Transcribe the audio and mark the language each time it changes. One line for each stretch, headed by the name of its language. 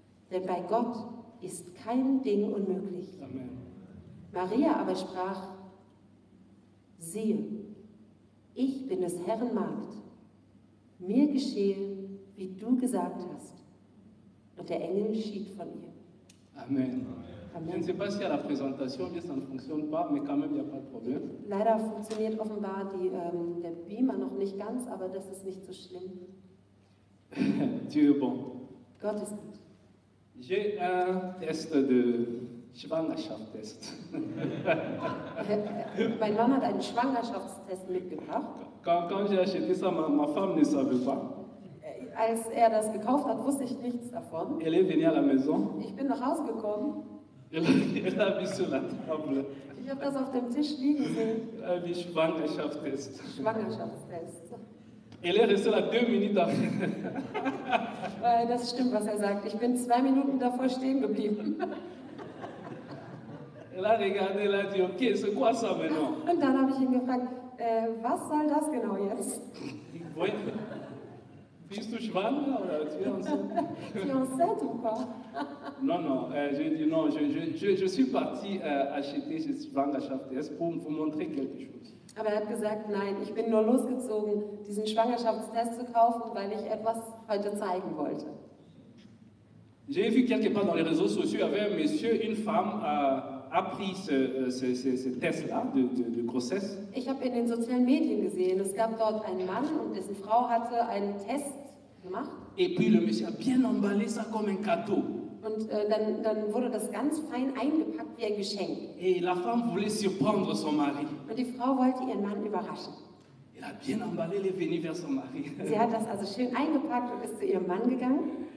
German: Denn bei Gott ist kein Ding unmöglich. Amen. Maria aber sprach: Siehe, ich bin des Herrn Magd. Mir geschehe, wie du gesagt hast. Und der Engel schied von ihr. Amen.
French: Je ne sais pas si à la présentation, bien ça ne fonctionne pas, mais quand même, il n'y a pas de problème.
German: Leider funktioniert offenbar die, der Beamer noch nicht ganz, aber das ist nicht so schlimm.
French: Dieu est bon.
German: Gott ist gut.
French: J'ai un test de.
German: Schwangerschaftstest. Mein Mann hat einen Schwangerschaftstest mitgebracht.
French: Quand j'ai acheté ça, ma femme ne savait pas.
German: Als er das gekauft hat, wusste ich nichts davon.
French: Elle est venue à la maison.
German: Ich bin nach Hause gekommen.
French: Elle a mis sur la table.
German: Ich habe das auf dem Tisch liegen sehen. Wie Schwangerschaftstest. Schwangerschaftstest.
French: Elle est restée là deux minutes
German: après. Das stimmt, was er sagt. Ich bin zwei Minuten davor stehen geblieben.
French: Elle a regardé, elle a dit: Ok, c'est quoi ça maintenant?
German: Und dann habe ich ihn gefragt: Was soll das genau jetzt? Bist du schwanger oder
French: fiancée ou quoi? Non, non, j'ai dit: Non, je suis parti acheter ce Schwangerschaftstest pour vous montrer quelque chose.
German: Aber er hat gesagt: Nein, ich bin nur losgezogen, diesen Schwangerschaftstest zu kaufen, weil ich etwas heute zeigen wollte.
French: J'ai vu quelque part dans les réseaux sociaux, il y avait un monsieur, une femme, a pris ce test-là de grossesse.
German: Ich habe in den sozialen Medien gesehen, es gab dort einen Mann und dessen Frau hatte einen Test gemacht.
French: Et puis le monsieur a bien emballé ça comme un cadeau.
German: Und dann wurde das ganz fein eingepackt wie ein Geschenk.
French: Et la femme voulait surprendre son mari.
German: Und die Frau wollte ihren Mann überraschen.
French: Elle a bien emballé, elle est venue vers son mari.
German: Sie hat das also schön eingepackt und ist zu ihrem Mann gegangen.